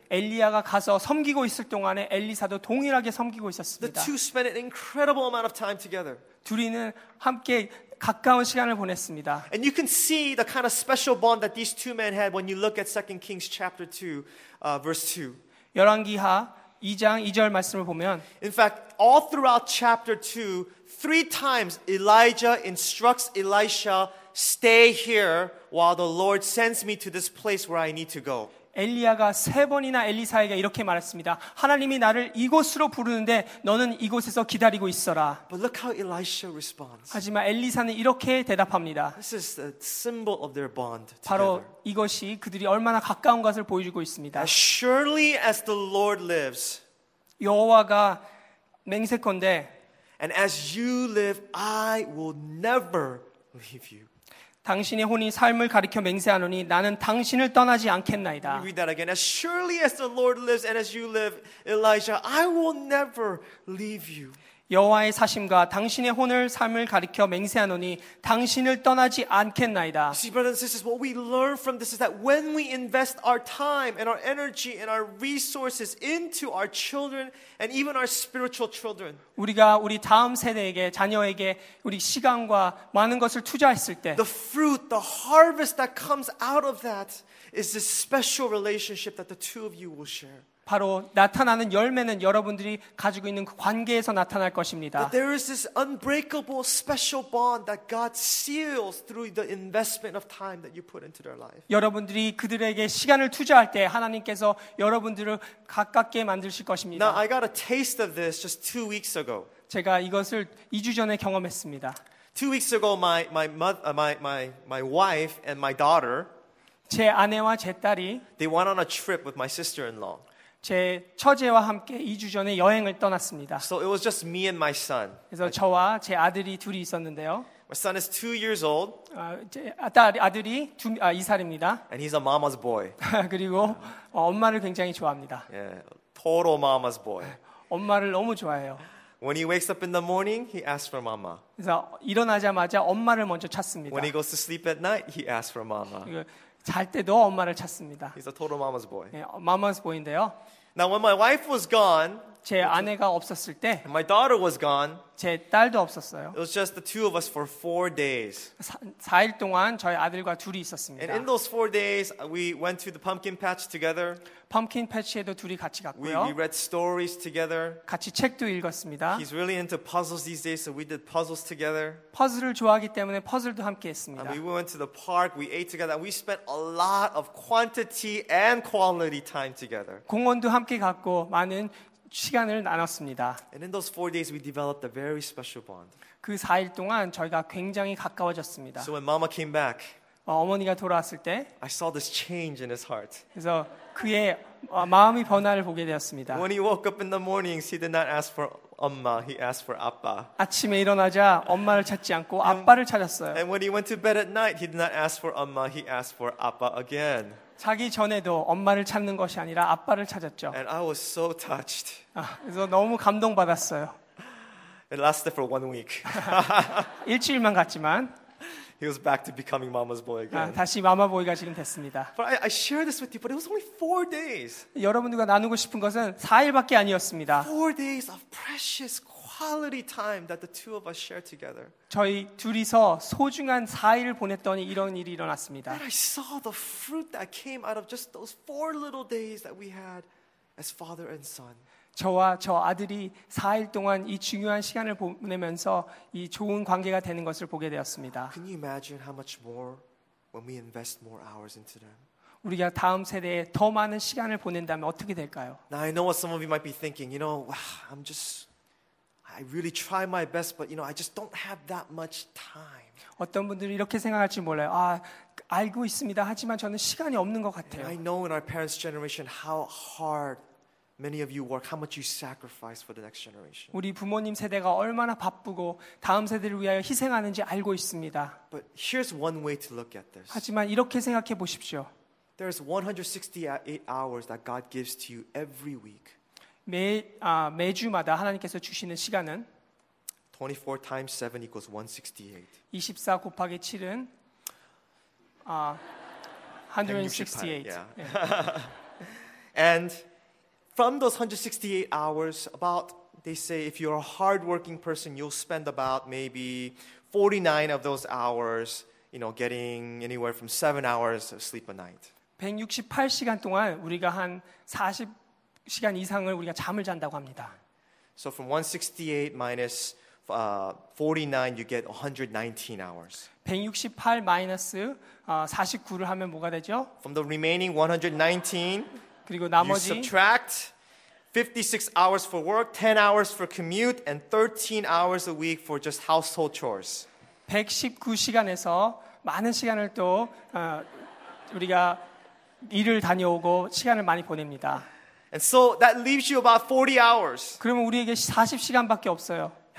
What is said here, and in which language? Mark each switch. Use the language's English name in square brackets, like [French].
[Korean] 엘리야가 가서 섬기고 있을 동안에 엘리사도 동일하게 섬기고 있었습니다. [English] The two spent an incredible amount of time together. [Korean] 둘이는 함께 가까운 시간을 보냈습니다. [English] And you can see the kind of special bond that these two men had when you look at 2 Kings chapter 2 verse 2. [Korean] 열왕기하 2장 2절 말씀을 보면 [English] In fact, all throughout chapter 2, three times Elijah instructs Elisha, "Stay here while the Lord sends me to this place where I need to go." [Korean] 엘리야가 세 번이나 엘리사에게 이렇게 말했습니다. 하나님이 나를 이곳으로 부르는데 너는 이곳에서 기다리고 있어라. [English] But look how Elisha responds. [Korean] 하지만 엘리사는 이렇게 대답합니다. [English] This is a symbol of their bond together. [Korean] 바로 이것이 그들이 얼마나 가까운 것을 보여주고 있습니다. [English] As surely as the Lord lives. [Korean] 여호와가 맹세컨대 [English] And as you live, I will never leave you. [Korean] 당신의 혼이 삶을 가리켜 맹세하노니 나는 당신을 떠나지 않겠나이다. [English] Read that again. As surely as the Lord lives and as you live, Elijah, I will never leave you. [Korean] 여호와의 사심과 당신의 혼을 삶을 가리켜 맹세하노니 당신을 떠나지 않겠나이다. [English] See, brothers and sisters, what we learn from this is that when we invest our time and our energy and our resources into our children and even our spiritual children, [Korean] 우리가 우리 다음 세대에게 자녀에게 우리 시간과 많은 것을 투자했을 때, [English] the fruit, the harvest that comes out of that is this special relationship that the two of you will share. [Korean] 바로 나타나는 열매는 여러분들이 가지고 있는 그 관계에서 나타날 것입니다. [English] But there is this unbreakable special bond that God seals through the investment of time that you put into their life. [Korean] 여러분들이 그들에게 시간을 투자할 때 하나님께서 여러분들을 가깝게 만드실 것입니다. [English] Now I got a taste of this just 2 weeks ago. [Korean] 제가 이것을 2주 전에 경험했습니다. [English] 2 weeks ago my wife and my daughter [Korean] 제 아내와 제 딸이 [English] they went on a trip with my sister-in-law. [Korean] 제 처제와 함께 2주 전에 여행을 떠났습니다. [English] So it was just me and my son. [Korean] 그래서 저와 제 아들이 둘이 있었는데요. [English] My son is 2 years old. [Korean] 제 아들이 2살입니다. [English] And he's a mama's boy. [Korean] 그리고 엄마를 굉장히 좋아합니다. [English] Yeah, total mama's boy. [Korean] 엄마를 너무 좋아해요. [English] When he wakes up in the morning, he asks for mama. [Korean] 그래서 일어나자마자 엄마를 먼저 찾습니다. [English] When he goes to sleep at night, he asks for mama. [Korean] 잘 때도 엄마를 찾습니다. [English] He's a total mama's boy. [Korean] 예, [English] mama's boy [Korean] 인데요. [English] Now when my wife was gone, [Korean] 제 아내가 없었을 때, [English] my daughter was gone, [Korean] 제 딸도 없었어요. [English] It was just the two of us for 4 days. [Korean] 4일 동안 저희 아들과 둘이 있었습니다. [English] And in those 4 days, we went to the pumpkin patch together. [Korean] 펌킨 패치에도 둘이 같이 갔고요. [English] We read stories together. [Korean] 같이 책도 읽었습니다. [English] He's really into puzzles these days, so we did puzzles together. [Korean] 퍼즐을 좋아하기 때문에 퍼즐도 함께했습니다. [English] And we went to the park. We ate together. We spent a lot of quantity and quality time together. [Korean] 공원도 함께 갔고 많은 시간을 나눴습니다. [English] And in those 4 days, we developed a very special bond. [Korean] 그 4일 동안 저희가 굉장히 가까워졌습니다. [English] So when Mama came back, [Korean] 어머니가 돌아왔을 때, [English] I saw this change in his heart. [Korean] 그래서 그의 마음이 변화를 보게 되었습니다. [English] When he woke up in the morning, he did not ask for 엄마, he asked for 아빠. [Korean] 아침에 일어나자 엄마를 찾지 않고 아빠를 찾았어요. [English] And when he went to bed at night, he did not ask for 엄마, he asked for 아빠 again. [Korean] 자기 전에도 엄마를 찾는 것이 아니라 아빠를 찾았죠. [English] And I was so touched. [Korean] 그래서 너무 감동받았어요. [English] It lasted for 1 week. [Korean] 일주일만 갔지만. [English] He was back to becoming Mama's boy again. [Korean] 다시 마마보이가 지금 됐습니다. [English] But I share this with you, but it was only 4 days. [Korean] 여러분들과 나누고 싶은 것은 4일밖에 아니었습니다. [English] 4 days of precious quality time that the two of us share together. [Korean] 저희 둘이서 소중한 4일을 보냈더니 이런 일이 일어났습니다. [English] And I saw the fruit that came out of just those 4 little days that we had as father and son. [Korean] 저와 저 아들이 4일 동안 이 중요한 시간을 보내면서 이 좋은 관계가 되는 것을 보게 되었습니다. [English] Can you imagine how much more when we invest more hours into them? [Korean] 우리가 다음 세대에 더 많은 시간을 보낸다면 어떻게 될까요? [English] Now I know what some of you might be thinking. You know, I'm just I really try my best, but you know, I just don't have that much time. [Korean] 어떤 분들이 이렇게 생각할지 몰라요. 알고 있습니다. 하지만 저는 시간이 없는 것 같아요. [English] And I know in our parents' generation how hard many of you work, how much you sacrifice for the next generation. [Korean] 우리 부모님 세대가 얼마나 바쁘고 다음 세대를 위하여 희생하는지 알고 있습니다. [English] But here's one way to look at this. [Korean] 하지만 이렇게 생각해 보십시오. [English] There's 168 hours that God gives to you every week. [Korean] 매주마다 하나님께서 주시는 시간은 [English] 24 times 7 equals 168. [Korean] 24 곱하기 7은 [English] 168. Yeah. And from those 168 hours, about, they say, if you're a hardworking person, you'll spend about maybe 49 of those hours, you know, getting anywhere from 7 hours of sleep a night. [Korean] 168시간 동안 우리가 한 40시간 이상을 우리가 잠을 잔다고 합니다. [English] So from 168 minus 49, you get 119 hours. [Korean] 168 마이너스 49를 하면 뭐가 되죠? [English] From the remaining 119, [Korean] 그리고 나머지 [English] you subtract 56 hours for work, 10 hours for commute, and 13 hours a week for just household chores. [Korean] 119시간에서 많은 시간을 또 우리가 일을 다녀오고 시간을 많이 보냅니다. [English] And so that leaves you about 40 hours. [Korean] 그러면 우리에게 40시간밖에 없어요.